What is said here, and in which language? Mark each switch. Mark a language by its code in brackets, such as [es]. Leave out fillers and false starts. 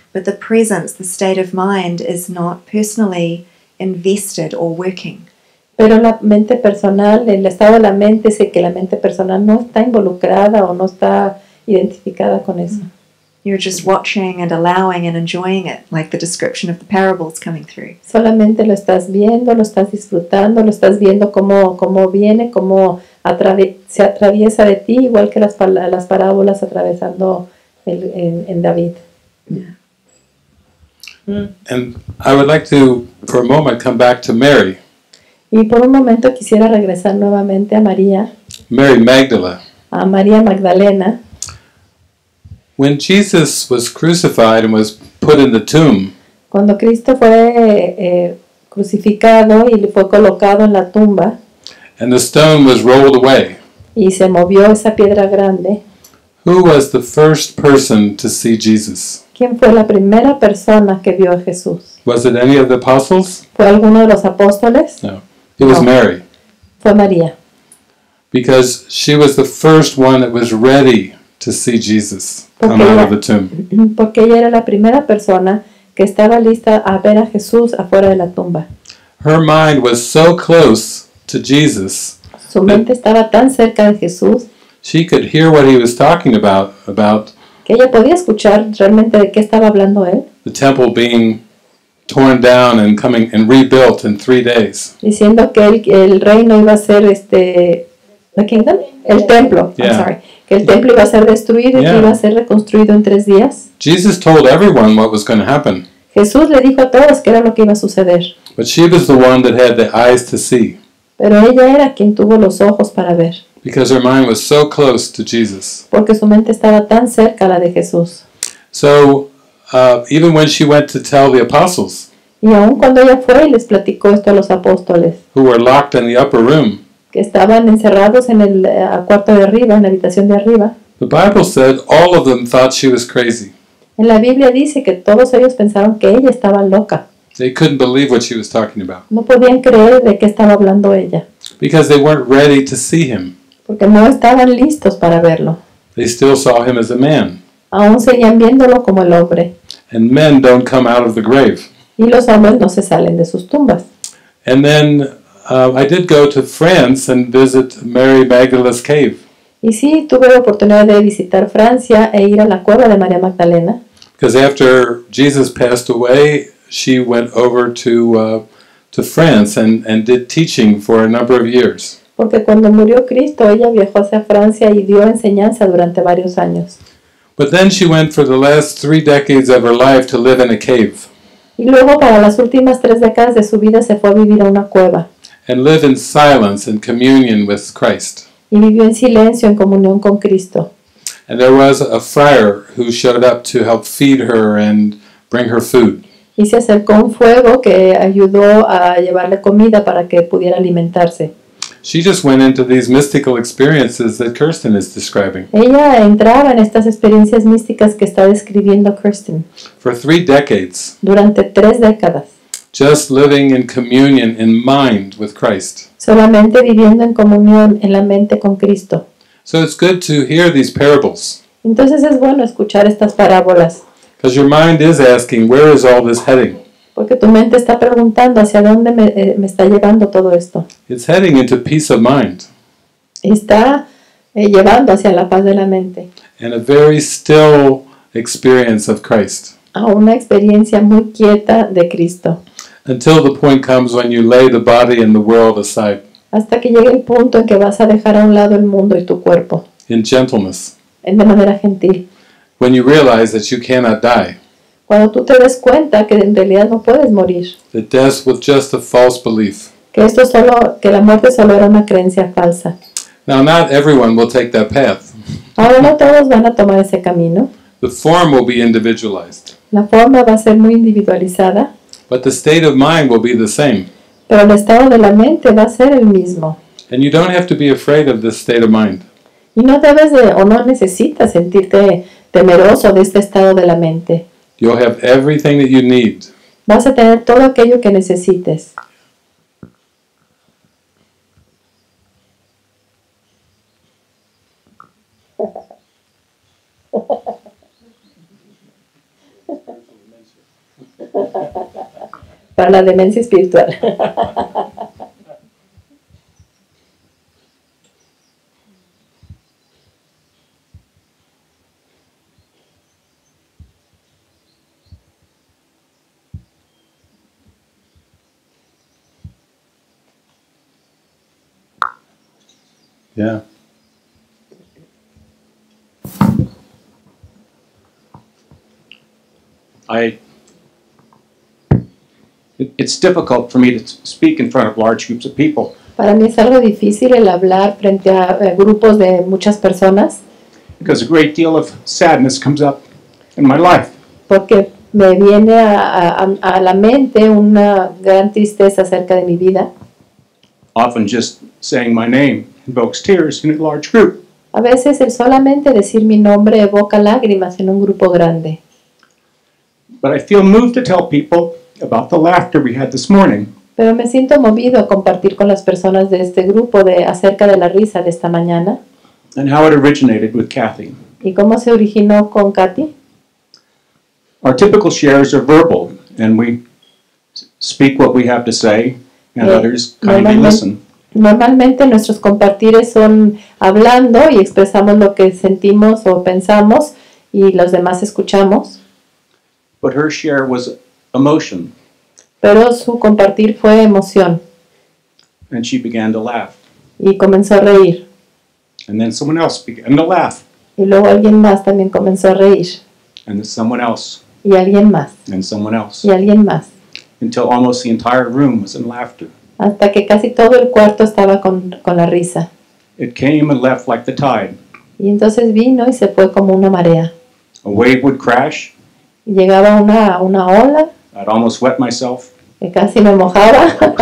[en] But the presence, the state of mind, is not personally invested or working. [es] Pero la mente personal, el estado de la mente, sé que la mente personal no está involucrada o no está identificada con eso. [en] You're just watching and allowing and enjoying it, like the description of the parables coming through. [es] Solamente lo estás viendo, lo estás disfrutando, lo estás viendo cómo viene, cómo se atraviesa de ti, igual que las parábolas atravesando en David. [en] And I would like to, for a moment, come back to Mary. [es] Y por un momento quisiera regresar nuevamente a María. [en] Mary Magdala. [es] A María Magdalena. [en] When Jesus was crucified and was put in the tomb. [es] Cuando Cristo fue crucificado y fue colocado en la tumba. [en] And the stone was rolled away. [es] Y se movió esa piedra grande. [en] Who was the first person to see Jesus? [es] ¿Quién fue la primera persona que vio a Jesús? [en] Was it any of the apostles? [es] ¿Fue alguno de los apóstoles? [en] No. It was Mary. [es] Fue María. [en] Because she was the first one that was ready to see Jesus come out of the tomb. [es] Porque ella era la primera persona que estaba lista a ver a Jesús afuera de la tumba. [en] Her mind was so close to Jesus. [es] Su mente estaba tan cerca de Jesús. [en] She could hear what he was talking about. [es] Que ella podía escuchar realmente de qué estaba hablando él. [en] The temple being torn down and coming and rebuilt in 3 days. [es] Diciendo que el reino iba a ser [en] the kingdom? [es] El templo, [en] yeah. I'm sorry. [es] Que el templo iba a ser destruido, [en] yeah. [es] Y que iba a ser reconstruido en 3 días. [en] Jesus told everyone what was going to happen. [es] Jesús le dijo a todos qué era lo que iba a suceder. [en] But she was the one that had the eyes to see. [es] Pero ella era quien tuvo los ojos para ver. [en] Because her mind was so close to Jesus. [es] Porque su mente estaba tan cerca a la de Jesús. [en] So, even when she went to tell the apostles, [es] y aun cuando ella fue y les platicó esto a los apóstoles, [en] who were locked in the upper room, [es] que estaban encerrados en el cuarto de arriba, en la habitación de arriba, [en] the Bible said all of them thought she was crazy. [es] En la Biblia dice que todos ellos pensaron que ella estaba loca. [en] They couldn't believe what she was talking about. [es] No podían creer de qué estaba hablando ella. [en] Because they weren't ready to see him. [es] Porque no estaban listos para verlo. [en] They still saw him as a man. [es] Aún seguían viéndolo como el hombre. [en] And men don't come out of the grave. [es] Y los hombres no se salen de sus tumbas. [en] And then I did go to France and visit Mary Magdalene's cave. [es] Y sí, tuve la oportunidad de visitar Francia e ir a la cueva de María Magdalena. [en] Because after Jesus passed away, she went over to France and did teaching for a number of years. [es] Porque cuando murió Cristo, ella viajó hacia Francia y dio enseñanza durante varios años. [en] But then she went for the last 3 decades of her life to live in a cave. [es] Y luego para las últimas 3 décadas de su vida se fue a vivir a una cueva. [en] And live in silence and communion with Christ. [es] Y vivió en silencio en comunión con Cristo. [en] And there was a friar who showed up to help feed her and bring her food. [es] Y se acercó un fuego que ayudó a llevarle comida para que pudiera alimentarse. [en] She just went into these mystical experiences that Kirsten is describing. [es] Ella entraba en estas experiencias místicas que está describiendo Kirsten. [en] For 3 decades. [es] Durante 3 décadas. [en] Just living in communion in mind with Christ. [es] Solamente viviendo en comunión en la mente con Cristo. [en] So it's good to hear these parables. [es] Entonces es bueno escuchar estas parábolas. [en] Because your mind is asking, where is all this heading? [es] Porque tu mente está preguntando hacia dónde me está llevando todo esto. [en] It's heading into peace of mind. [es] Está llevando hacia la paz de la mente. [en] And a very still experience of Christ. [es] A una experiencia muy quieta de Cristo. [en] Until the point comes when you lay the body and the world aside. [es] Hasta que llegue el punto en que vas a dejar a un lado el mundo y tu cuerpo. [en] In gentleness. [es] En de manera gentil. [en] When you realize that you cannot die. [es] Cuando tú te des cuenta que en realidad no puedes morir. [en] That death was just a false belief. [es] Que la muerte solo era una creencia falsa. [en] Now not everyone will take that path. [es] Ahora no todos van a tomar ese camino. [en] The form will be individualized. [es] La forma va a ser muy individualizada. [en] But the state of mind will be the same. [es] Pero el estado de la mente va a ser el mismo. [en] And you don't have to be afraid of this state of mind. [es] Y no debes de, o no necesitas sentirte temeroso de este estado de la mente. [en] You'll have everything that you need. [es] Vas a tener todo aquello que necesites. Para la demencia espiritual. [en] Yeah. It's difficult for me to speak in front of large groups of people. [es] Para mí es algo difícil el hablar frente a grupos de muchas personas. [en] Because a great deal of sadness comes up in my life. [es] Porque me viene a la mente una gran tristeza acerca de mi vida. [en] Often just saying my name invokes tears in a large group. [es] A veces el solamente decir mi nombre evoca lágrimas en un grupo grande. [en] But I feel moved to tell people about the laughter we had this morning. [es] Pero me siento movido a compartir con las personas de este grupo de acerca de la risa de esta mañana. [en] And how it originated with Kathy. [es] ¿Y cómo se originó con Kathy? [en] Our typical shares are verbal, and we speak what we have to say, and others kindly listen. [es] Normalmente nuestros compartires son hablando y expresamos lo que sentimos o pensamos y los demás escuchamos. [en] But her share was emotion. [es] Pero su compartir fue emoción. [en] And she began to laugh. [es] Y comenzó a reír. [en] And then someone else began to laugh. [es] Y luego alguien más también comenzó a reír. [en] And then someone else. [es] Y alguien más. [en] And someone else. [es] Y alguien más. [en] Until almost the entire room was in laughter. [es] Hasta que casi todo el cuarto estaba con la risa. [en] It came and left like the tide. [es] Y entonces vino y se fue como una marea. [en] A wave would crash. [es] Llegaba una ola. [en] I'd almost wet myself. [es] Que casi me mojaba.